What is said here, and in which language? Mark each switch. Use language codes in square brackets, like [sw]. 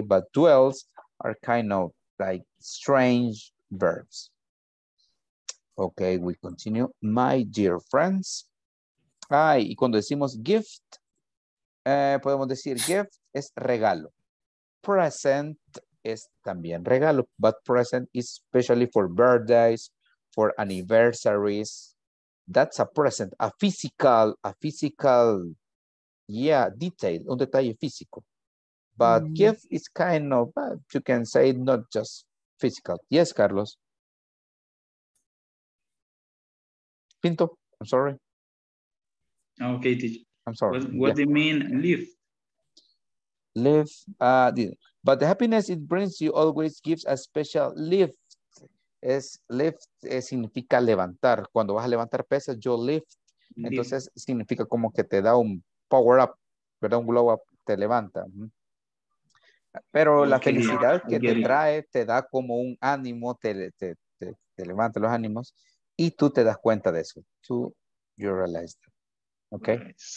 [en] But dwells are kind of like strange verbs. Okay, we continue. My dear friends. [es] Ay, y cuando decimos gift, podemos decir gift es regalo. [en] Present. [es] Es también regalo, [en] but present is especially for birthdays, for anniversaries. That's a present, a physical, yeah, detail, [es] un detalle físico. [en] But gift is kind of, you can say, not just physical. Yes, Carlos. Pinto, I'm sorry. Okay, teacher. I'm sorry. What do you mean, live? But the happiness it brings you always gives a special lift. [es] Lift significa levantar. Cuando vas a levantar pesas, yo lift. Entonces, significa como que te da un power up, ¿verdad? Un glow up, te levanta. Pero la felicidad que te trae, te da como un ánimo, te levanta los ánimos. Y tú te das cuenta de eso. Tú, [en] you realize that. [es] Okay?